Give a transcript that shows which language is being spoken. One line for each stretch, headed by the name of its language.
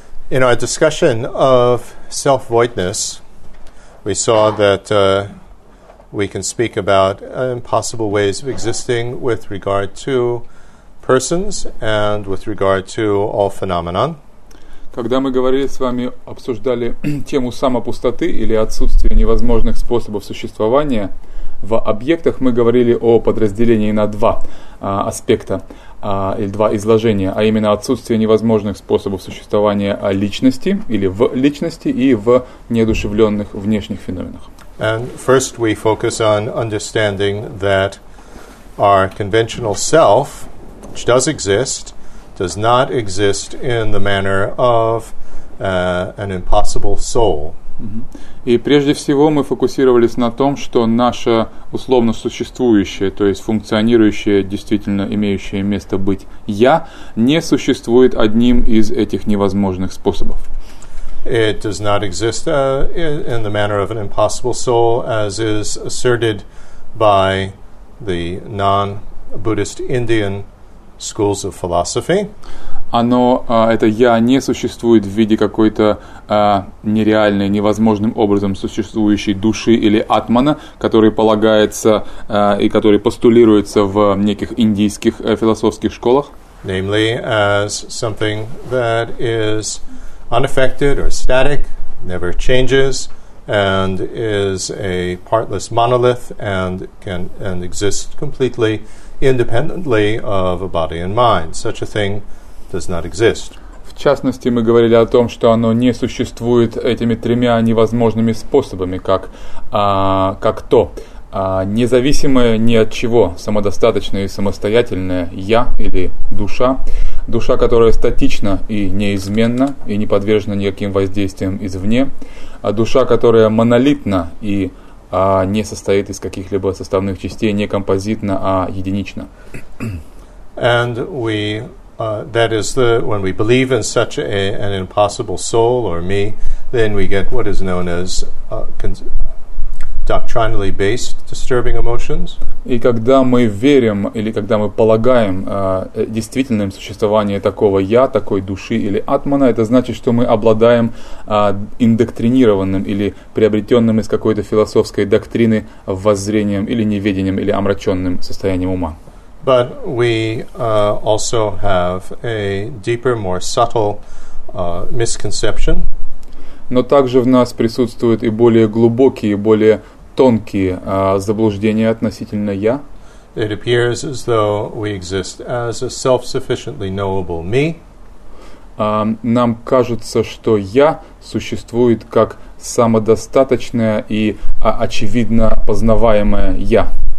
English: In our discussion of self-voidness, we saw that we can speak about impossible ways of existing with regard to persons and with regard to all phenomena.
Russian: Когда мы говорили с вами, обсуждали тему самопустоты или отсутствия невозможных способов существования в объектах, мы говорили о подразделении на два аспекта или два изложения, а именно отсутствие невозможных способов существования личности или в личности и в неодушевленных внешних феноменах.
English: And first we focus on understanding that our conventional self, which does not exist in the manner of an impossible soul.
Russian: И прежде всего мы фокусировались на том, что наше условно существующее, то есть функционирующее, действительно имеющее место быть «я», не существует одним из этих невозможных способов.
English: It does not exist in the manner of an impossible soul, as is asserted by the non-Buddhist Indian schools of philosophy.
Russian: Оно, это «я» не существует в виде какой-то нереальной, невозможным образом существующей души или атмана, который полагается и который постулируется в неких индийских философских школах.
English: Namely, as something that is unaffected or static, never changes, and is a partless monolith and can and exist completely independently of a body and mind. Such a thing does not exist.
Russian: В частности, мы говорили о том, что оно не существует этими тремя невозможными способами, как то независимое ни от чего, самодостаточное и самостоятельное «я» или «душа», душа, которая статична и неизменна и не подвержена никаким воздействиям извне, а душа, которая монолитна и не состоит из каких-либо составных частей, не композитно, а единично.
English: And we, that is the, when we believe in such a, an impossible soul or me, then we get what is known as doctrinally based disturbing emotions.
Russian: И когда мы верим или когда мы полагаем действительным существование такого я, такой души или атмана, это значит, что мы обладаем индоктринированным или приобретенным из какой-то философской доктрины воззрением или неведением или омраченным состоянием ума.
English: But we also have a deeper, more subtle misconception.
Russian: Но также в нас присутствуют и более глубокие, более тонкие заблуждения относительно «я».
English: It appears as though we exist as a self-sufficiently knowable me.
Russian: Нам кажется, что «я» существует как самодостаточное и очевидно познаваемое «я».